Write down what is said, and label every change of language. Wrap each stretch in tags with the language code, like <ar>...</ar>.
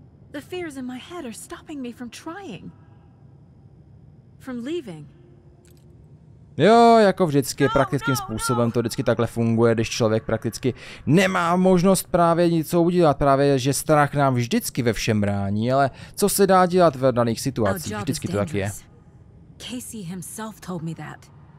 <en>The fears in my head are stopping me from trying. From leaving.</en> <cs>Jo, jako vždycky, praktickým způsobem to vždycky takhle funguje, když člověk prakticky nemá možnost právě něco udělat, právě že strach nám vždycky ve všem brání, ale co se dá dělat v daných situacích, vždycky to tak je.</cs> <en>Casey himself told me that.</en>